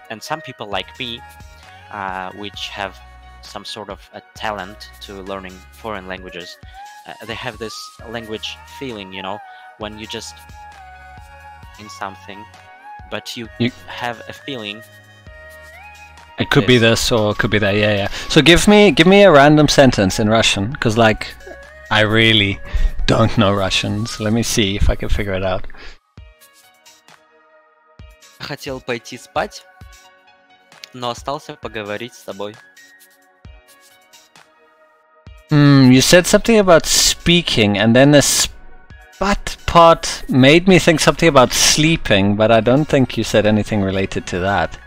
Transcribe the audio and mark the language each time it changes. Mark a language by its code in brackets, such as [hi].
[en] And some people like me, which have some sort of a talent to learning foreign languages, they have this language feeling, you know, when you just in something, but you have a feeling. It could be this or it could be that. Yeah, yeah. So give me a random sentence in Russian, because like I really don't know Russian, so let me see if I can figure it out. [ru] Хотел пойти спать, но остался поговорить с тобой. [en] You said something about speaking, and then the spat part made me think something about sleeping, but I don't think you said anything related to that.